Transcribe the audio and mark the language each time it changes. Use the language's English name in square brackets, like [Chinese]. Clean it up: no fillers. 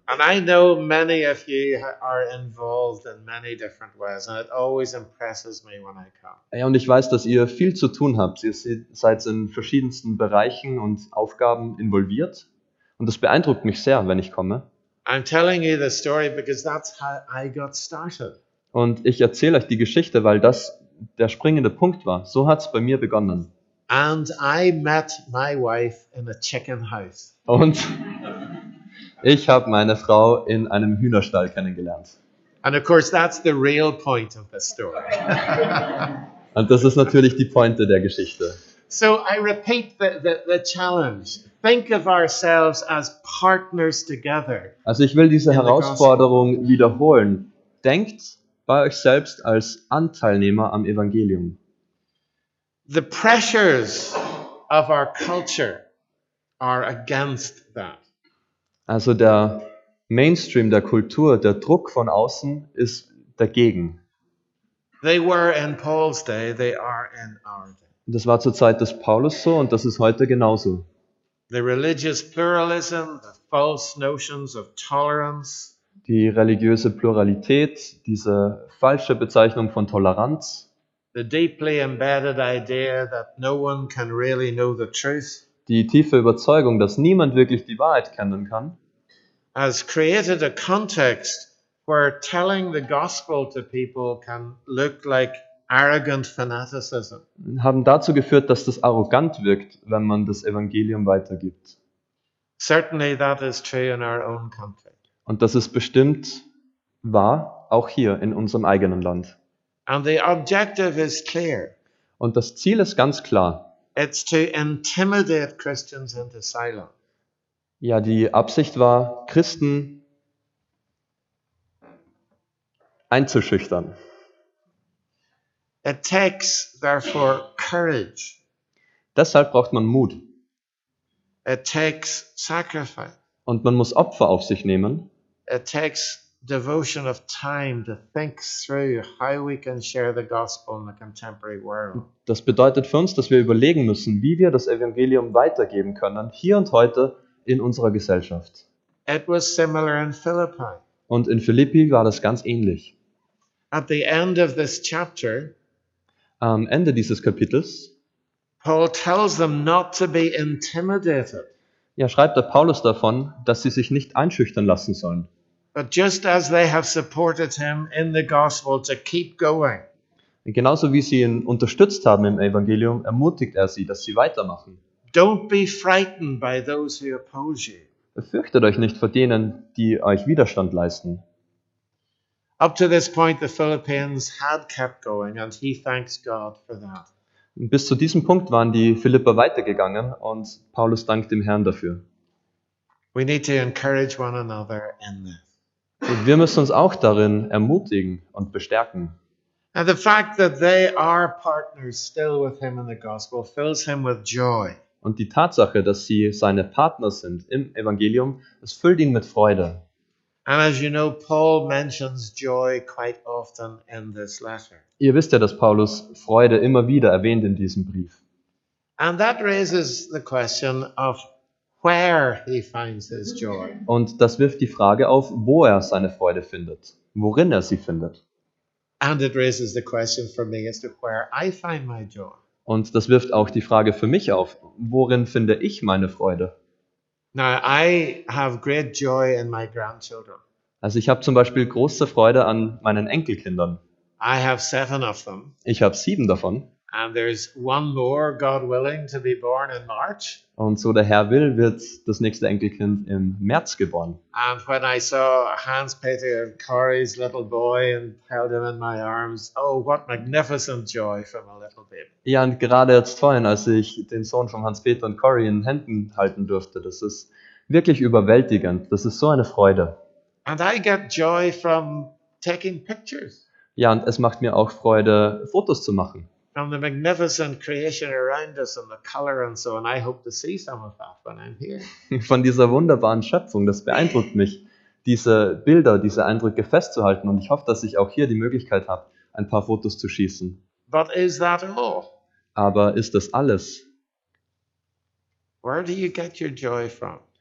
[English] And I know many of you are involved in many different ways, and it always impresses me when I come. [German] Ja, und ich weiß, dass ihr viel zu tun habt. Ihr seid in verschiedensten Bereichen und Aufgaben involviert, und das beeindruckt mich sehr, wenn ich komme. [English] I'm telling you the story because that's how I got started. [German] Und ich erzähle euch die Geschichte, weil das der springende Punkt war. So hat's bei mir begonnen. [English] And I met my wife in a chicken house. [German] Und ich habe meine Frau in einem Hühnerstall kennengelernt. [English] And of course that's the real point of the story. [German] Und das ist natürlich die Pointe der Geschichte. [English] So I repeat the challenge. Think of ourselves as partners together. [German] Also ich will diese Herausforderung wiederholen. Denkt bei euch selbst als Anteilnehmer am Evangelium. [English] The pressures of our culture are against that. [German] Also der Mainstream der Kultur, der Druck von außen ist dagegen. [English] They were in Paul's day, they are in our day. [German] Das war zur Zeit des Paulus so und das ist heute genauso. [English] The religious pluralism, the false notions of tolerance. [German] Die religiöse Pluralität, diese falsche Bezeichnung von Toleranz. [English] The deeply embedded idea that no one can really know the truth. [German] Die tiefe Überzeugung, dass niemand wirklich die Wahrheit kennen kann. [English] Has created a context where telling the gospel to people can look like arrogant fanaticism. [German] Haben dazu geführt, dass das arrogant wirkt, wenn man das Evangelium weitergibt. [English] Certainly that is true in our own country. [German] Und das ist bestimmt wahr, auch hier in unserem eigenen Land. [English] And the objective is clear. [German] Und das Ziel ist ganz klar. [English] It's to intimidate Christians into silence. [German] Ja, die Absicht war, Christen einzuschüchtern. [English] It takes therefore courage. [German] Deshalb braucht man Mut. [English] It takes sacrifice. [German] Und man muss Opfer auf sich nehmen. [English] It takes devotion of time to think through how we can share the gospel in the contemporary world. [German] Das bedeutet für uns, dass wir überlegen müssen, wie wir das Evangelium weitergeben können, hier und heute in unserer Gesellschaft. [English] It was similar in Philippi. [German] Und in Philippi war das ganz ähnlich. [English] At the end of this chapter, [German] am Ende dieses Kapitels, [English] Paul tells them not to be intimidated. [German] Ja, schreibt der Paulus davon, dass sie sich nicht einschüchtern lassen sollen. [English] But just as they have supported him in the gospel to keep going. [German] Genauso wie sie ihn unterstützt haben im Evangelium, ermutigt er sie, dass sie weitermachen. [English] Don't be frightened by those who oppose you. [German] Fürchtet euch nicht vor denen, die euch Widerstand leisten. [English] Up to this point the Philippians had kept going and he thanks God for that. [German] Bis zu diesem Punkt waren die Philipper weitergegangen und Paulus dankt dem Herrn dafür. [English] We need to encourage one another in this. [German] Und wir müssen uns auch darin ermutigen und bestärken. [English] And the fact that they are partners still with him in the gospel fills him with joy. [German] Und die Tatsache, dass sie seine Partner sind im Evangelium, es füllt ihn mit Freude. [English] And as you know, Paul mentions joy quite often in this letter. [German] Ihr wisst ja, dass Paulus Freude immer wieder erwähnt in diesem Brief. [English] And that raises the question of where he finds his joy. [German] Und das wirft die Frage auf, wo er seine Freude findet, worin er sie findet. [English] And it raises the question for me as to where I find my joy. [German] Und das wirft auch die Frage für mich auf, worin finde ich meine Freude? [English] Now, I have great joy in my grandchildren. [German] Also ich habe zum Beispiel große Freude an meinen Enkelkindern. [English] I have 7 of them. [German] Ich habe 7 davon. [English] And there's one more, God willing, to be born in March. [German] Und so der Herr will, wird das nächste Enkelkind im März geboren. [English] And when I saw Hans-Peter and Corey's little boy and held him in my arms, oh, what magnificent joy from a little baby. [German] Ja, und gerade jetzt vorhin, als ich den Sohn von Hans-Peter und Corey in Händen halten durfte, das ist wirklich überwältigend. Das ist so eine Freude. [English] And I get joy from taking pictures. [German] Ja, und es macht mir auch Freude, Fotos zu machen. [English] From the magnificent creation around us and the color and so, and I hope to see some of that when I'm here. [German] Von dieser wunderbaren Schöpfung, das beeindruckt mich, diese Bilder, diese Eindrücke festzuhalten, und ich hoffe, dass ich auch hier die Möglichkeit habe, ein paar Fotos zu schießen. [English] But is that all? [German] Aber ist das alles? [English] Where do you get your joy from?